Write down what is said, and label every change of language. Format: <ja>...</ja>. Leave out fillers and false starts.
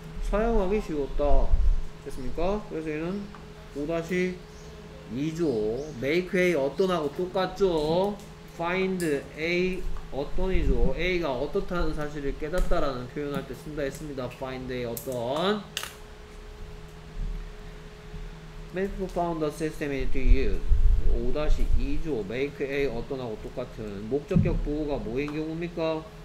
<ko>사용하기 쉬웠다. 됐습니까? 그래서 얘는 5-2죠.</ko> <en>make a</en> <ko>어떤하고 똑같죠.</ko> <en>find a</en> <ko>어떤이죠. a가 어떻다는 사실을 깨닫다라는 표현할 때 쓴다 했습니다.</ko> <en>find a</en> <ko>어떤.</ko> <en>many people found the system easy to use.</en> <ko>5-2죠.</ko> <en>make a</en> <ko>어떤하고 똑같은 목적격 보호가 뭐인 경우입니까?</ko>